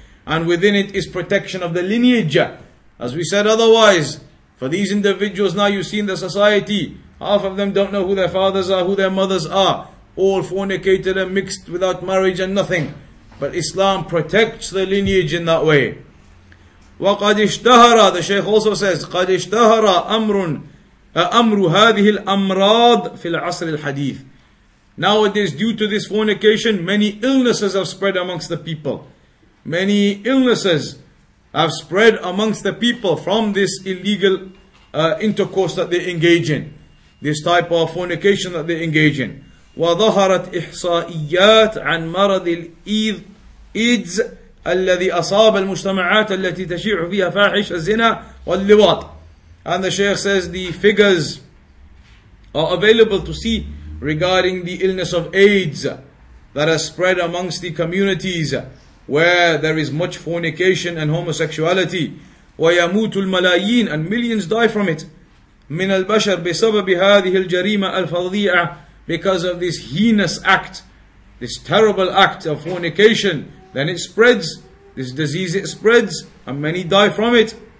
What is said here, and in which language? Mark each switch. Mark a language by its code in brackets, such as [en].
[en] And within it is protection of the lineage. As we said otherwise, for these individuals now you see in the society, half of them don't know who their fathers are, who their mothers are, all fornicated and mixed without marriage and nothing. But Islam protects the lineage in that way. [ar] وقد اشتهر, [en] the Shaykh also says, [ar] قد اشتهر أمر أمر هذه الأمراض في العصر الحديث. [en] Nowadays, due to this fornication, many illnesses have spread amongst the people. Many illnesses have spread amongst the people from this illegal intercourse that they engage in. This type of fornication that they engage in. [ar] وظهرت إحصائيات عن مرض الإيدز الذي أصاب المجتمعات التي تشيع فيها فاحش الزنا واللواط. [en] And the Shaykh says the figures are available to see regarding the illness of AIDS that has spread amongst the communities where there is much fornication and homosexuality. [ar] ويموت الملايين, [en] and millions die from it. [ar] من البشر بسبب هذه الجريمة الفظيعة, [en] because of this heinous act, this terrible act of fornication, then it spreads, this disease it spreads, and many die from it.